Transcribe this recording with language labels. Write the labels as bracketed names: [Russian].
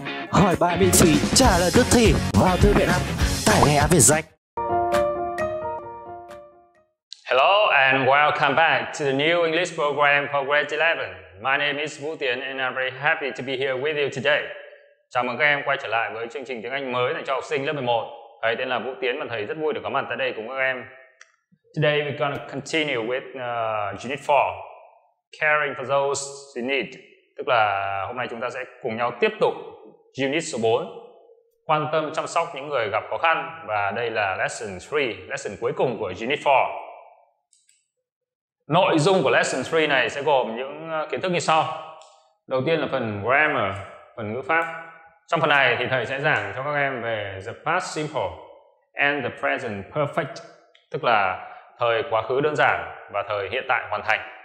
[Vietnamese] Hỏi bài miễn phí, trả lời tức thì vào thư viện app, tải ngay Ave Danh. [English] Hello and welcome back to the new English program for grade 11. My name is Vũ Tiến and I'm very happy to be here with you today. [Vietnamese] Chào mừng các em quay trở lại với chương trình tiếng Anh mới dành cho học sinh lớp 11. Thầy tên là Vũ Tiến và thầy rất vui được có mặt tại đây cùng các em. [English] Today we're going to continue with Unit 4, Caring for Those in Need. [Vietnamese] Tức là hôm nay chúng ta sẽ cùng nhau tiếp tục Unit số 4, quan tâm chăm sóc những người gặp khó khăn. Và đây là Lesson 3, lesson cuối cùng của Unit 4. Nội dung của Lesson 3 này sẽ gồm những kiến thức như sau. Đầu tiên là phần grammar, phần ngữ pháp. Trong phần này thì thầy sẽ giảng cho các em về [English] the past simple and the present perfect, [Vietnamese] tức là thời quá khứ đơn giản và thời hiện tại hoàn thành.